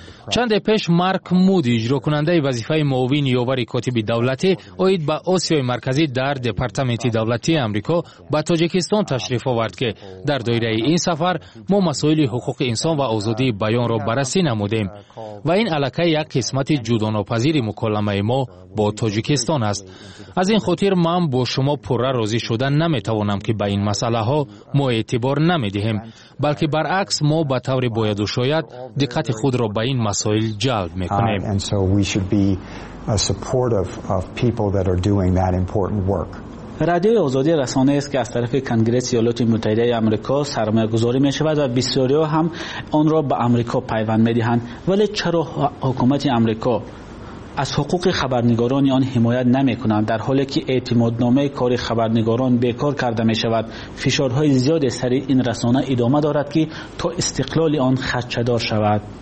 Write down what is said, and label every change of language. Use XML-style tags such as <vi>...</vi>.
<fa>چند پیش مارک مودی اجرا کننده وظیفه معاون یاوری کاتب دولتی اوید به آسیای مرکزی در دپارتمنت دولتی امریکا به تاجیکستان تشریف آورد که در دایره این سفر ما مسائل حقوق انسان و آزادی بیان را بررسی نمودیم و این علاقه یک قسمت جداناپذیر مکالمه ما با تاجیکستان است. از این خاطر من با شما پوره راضی شدن نمی توانم که به این مسئله ها ما اعتبار نمی دهیم، بلکه برعکس ما به طور باید و شاید دقت خود را به این مسائل جلب میکنیم.</fa> <en>And so we should be supportive of people that are doing that important work.</en> <fa>رادیو آزادی رسانه است که از طرف کنگره ایالات متحده آمریکا سرمایه گذاری می شود و بسیاری ها هم آن را به آمریکا پیوند می دهند، ولی چرا حکومت آمریکا از حقوق خبرنگاران آن حمایت نمی کنند در حالی که اعتمادنامه کار خبرنگاران بیکار کرده می شود؟ فشارهای زیاد سری این رسانه ادامه دارد که تا استقلال آن خدشه‌دار شود.</fa>